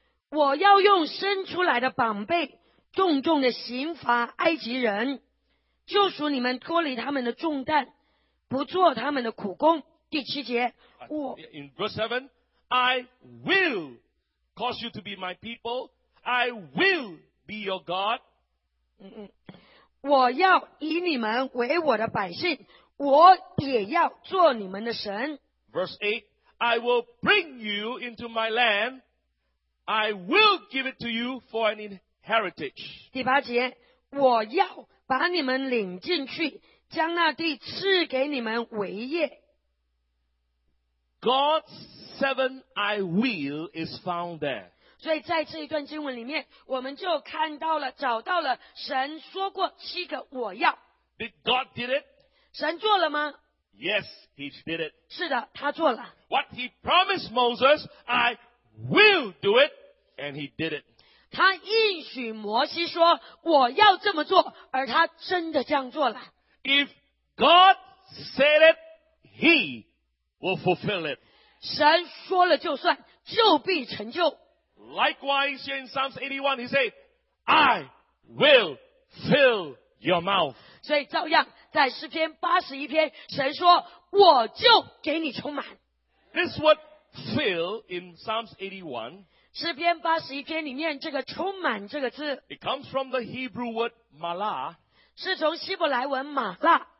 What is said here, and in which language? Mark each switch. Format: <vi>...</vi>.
<zh>我要用伸出来的膀臂重重的刑罚埃及人，救赎你们脱离他们的重担，不做他们的苦工。第七节，我</zh> <en>In verse 7, I will cause you to be my people. I will be your God.</en> <zh>我要以你们为我的百姓，我也要做你们的神。</zh> <en>Verse 8, I will bring you into my landI will give it to you for an inheritance.</en> <zh>第八节，我要把你们领进去，将那地赐给你们为业。</zh> <en>God's seven I will is found there.</en> <zh>所以在这一段经文里面，我们就看到了，找到了神说过七个我要。</zh> <en>Did God did it?</en> <zh>神做了吗？</zh> <en>Yes, he did it.</en> <zh>是的，他做了。</zh> <en>What he promised Moses, I will do it, and he did it.</en> <zh>他应许摩西说，我要这么做，而他真的这样做了。</zh> <en>If God said it, he will fulfill it.</en> <zh>神说了就算，就必成就。</zh> <en>Likewise, in Psalms 81, he said, I will fill your mouth.</en> <zh>所以照样，在诗篇81篇，神说，我就给你充满。</zh> <en>This word,Fill in Psalms 81.</en> <zh>诗篇八十一篇里面这个充满这个字</zh> <en>，It comes from the Hebrew word mala.</en> <zh>是从希伯来文马辣。</zh>